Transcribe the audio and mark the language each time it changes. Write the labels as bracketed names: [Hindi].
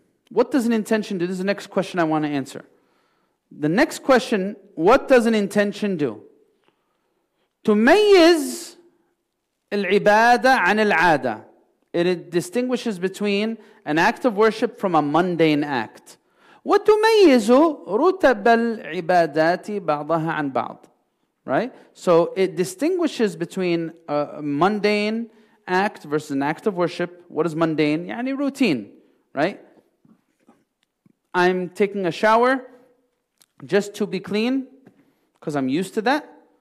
[English] What does an intention do? This is the next question I want to answer. The next question, what does an intention do? [Arabic] تميز العبادة عن العادة. [English] It distinguishes between an act of worship from a mundane act. [Arabic] وتميز رتب العبادات بعضها عن بعض. [English] Right? So it distinguishes between a mundane act versus an act of worship. What is mundane? يعني routine. Right? I'm taking a shower just to be clean because I'm used to that.